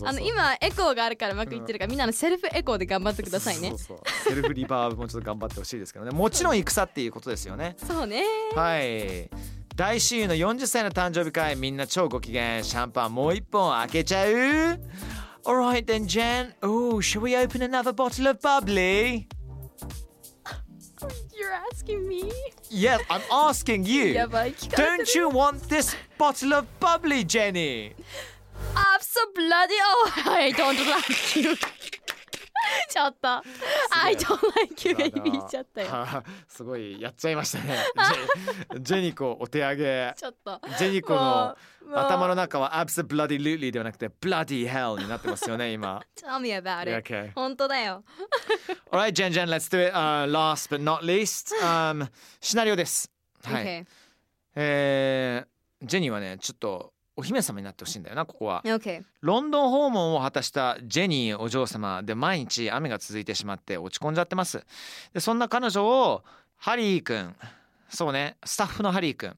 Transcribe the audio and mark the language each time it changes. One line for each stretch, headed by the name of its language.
Japanese: 今エコーがあるからうまくいってるから、うん、みんなのセルフエコーで頑張ってくださいね。そう。セルフリバーブもちょっと頑張ってほしいですけどね。もちろん戦っていうことですよね。そうね。はい。大親友の40歳の誕生日会、みんな超ご機嫌、シャンパンもう一本開けちゃう。
English: Alright then Jen. Oh, shall we open another bottle of bubbly? You're asking me? Yes, I'm asking you.
Japanese: やばい、聞かれてる。
English: Don't you want this bottle of bubbly, Jenny? I'm so bloody old. I don't like you.
Japanese: ちょっと
English: I don't like you
Japanese: が響いちゃったよ。すごいやっちゃいましたね。ジェニコお手上げ。ちょっとジェニコの頭の中は absolutely ではなくて bloody hell になってますよね今。
English: Tell me about it、 okay.
Japanese: 本当だよ。
English: Alright Jen Jen, let's do it、last but not least、
Japanese: シナリオです。はい、ジェニーはねちょっとお姫様になってほしいんだよな、ここは、
English: okay.
Japanese: ロンドン訪問を果たしたジェニーお嬢様で、毎日雨が続いてしまって落ち込んじゃってます。でそんな彼女をハリー君、そうね、スタッフのハリー君、